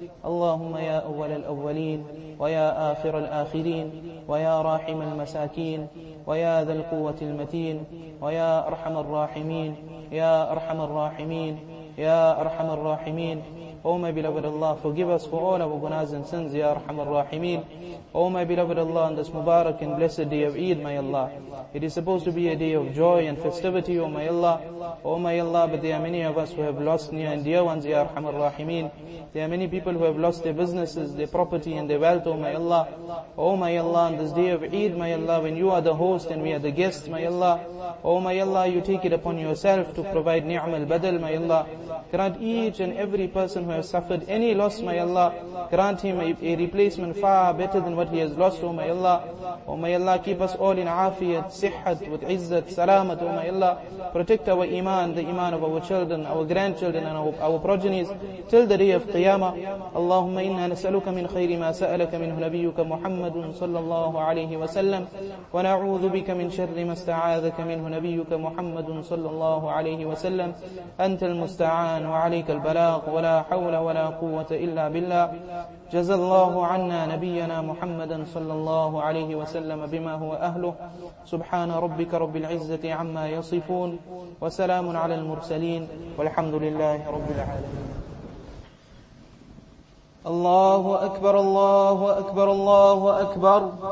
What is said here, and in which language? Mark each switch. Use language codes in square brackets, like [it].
[ar] اللهم يا أول الأولين ويا آخر الآخرين ويا راحم المساكين ويا ذا القوة المتين ويا أرحم الراحمين يا أرحم الراحمين يا أرحم الراحمين. [en] Oh my beloved Allah, forgive us for all our gunas and sins, [ar] Ya Arhamar Rahimeen. [en] Oh my beloved Allah, on this Mubarak and blessed day of Eid, my Allah. It is supposed to be a day of joy and festivity, oh my Allah. Oh my Allah, but there are many of us who have lost near and dear ones, [ar] Ya Arhamar Rahimeen. [en] There are many people who have lost their businesses, their property and their wealth, oh my Allah. Oh my Allah, on this day of Eid, my Allah, when you are the host and we are the guests, my Allah. Oh my Allah, you take it upon yourself to provide ni'am al-badal, my Allah. Grant each and every person who has suffered any loss, my Allah, grant him a replacement far better than what he has lost, oh my Allah. Oh my Allah, keep us all in afiyat, sihat, with izzat, salamat, oh my Allah. Protect our iman, the iman of our children, our grandchildren, and our progenies, till the day of Qiyamah. [ar] Allahumma inna nasaluka min khayri ma sa'alaka minhu nabiyyuka Muhammadun sallallahu alayhi wa sallam, wa na'udhu bika min sharri ma sta'adhaka minhu nabiyyuka Muhammadun sallallahu alayhi wa sallam. Antal musta'an wa alayka al-balaq wa la حول ولا قوة إلا بالله. جزى الله عنا نبينا محمدا صلى الله عليه وسلم بما هو أهله. سبحان ربك رب العزة عما يصفون وسلام على المرسلين والحمد لله رب العالمين. الله أكبر الله أكبر الله أكبر.